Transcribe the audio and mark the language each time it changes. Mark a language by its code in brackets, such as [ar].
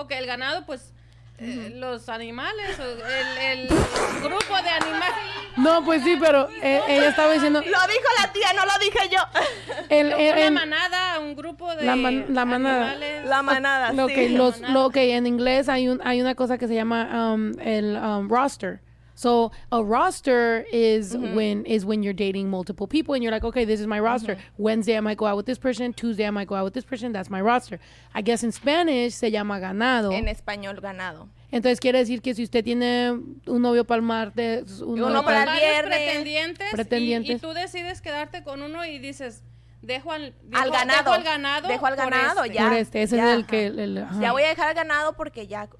[es] Ok, el ganado, pues, los animales, el grupo de animales. No, pues sí, pero ella estaba diciendo... Lo dijo la tía, no lo dije yo. Una manada, un grupo de animales. La manada. La manada, sí. Okay, en inglés hay una cosa que se llama roster. [en] So, a roster is when you're dating multiple people and you're like, okay, this is my roster. Mm-hmm. Wednesday I might go out with this person, Tuesday I might go out with this person, that's my roster. I guess in Spanish [es] se llama ganado. En español, ganado. Entonces, quiere decir que si usted tiene un novio para el martes... Uno para el viernes. Pretendientes. Y tú decides quedarte con uno y dices, Dejo al ganado. Por este. Ese ya, es el que... El, ya voy a dejar al ganado porque ya...